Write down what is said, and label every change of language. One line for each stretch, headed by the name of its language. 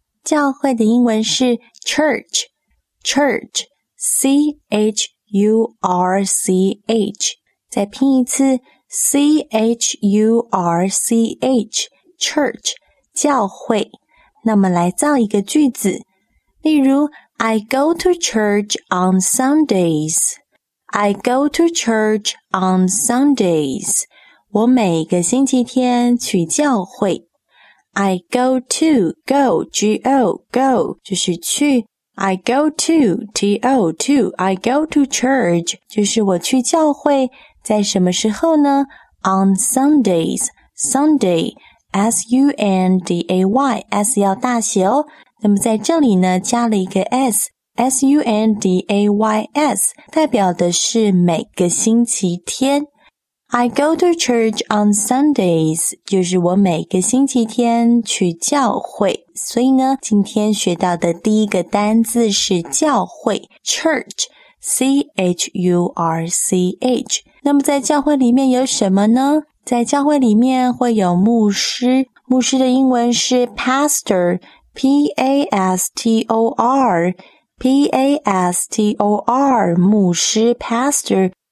Chinese: 教会的英文是 church，church，C-H-U-R-C-H， 再拼一次 ，C-H-U-R-C-H，church， 教会。那么来造一个句子，例如
English: I go to church on Sundays. I go to church on Sundays.
Chinese: 我每个星期天去教会。
English: I go to, go, G-O, go,
Chinese: 就是去。
English: I go to, T-O, to, I go to church,
Chinese: 就是我去教会。在什么时候呢？
English: On Sundays, Sunday, S-U-N-D-A-Y,
Chinese: S 要大写哦。那么在这里呢，加了一个 S, S-U-N-D-A-Y-S, 代表的是每个星期天。
English: I go to church on Sundays,
Chinese: 就是我每个星期天去教会。所以呢，今天学到的第一个单字是教会 ,church, C-H-U-R-C-H。那么在教会里面有什么呢？在教会里面会有牧师，牧师的英文是 pastor, P-A-S-T-O-R, P-A-S-T-O-R, 牧师 pastor。